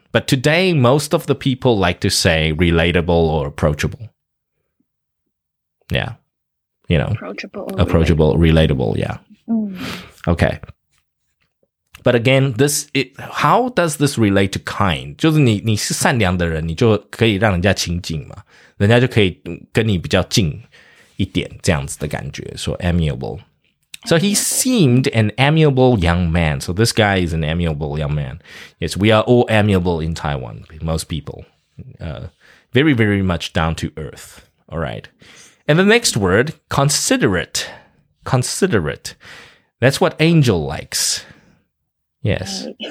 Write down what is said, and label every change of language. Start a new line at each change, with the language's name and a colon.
English: But today, most of the people like to say relatable or approachable. Yeah. You know. Approachable, relatable, yeah. Mm. Okay. But again, how does this relate to kind?
Chinese: 就是你是善良的人，你就可以让人家亲近嘛。人家就可以跟你比较近一点，这样子的感觉。
English: So amiable. So he seemed an amiable young man. So this guy is an amiable young man. Yes, we are all amiable in Taiwan, most people. Very, very much down to earth. All right. And the next word, considerate. That's what Angel likes. Yes.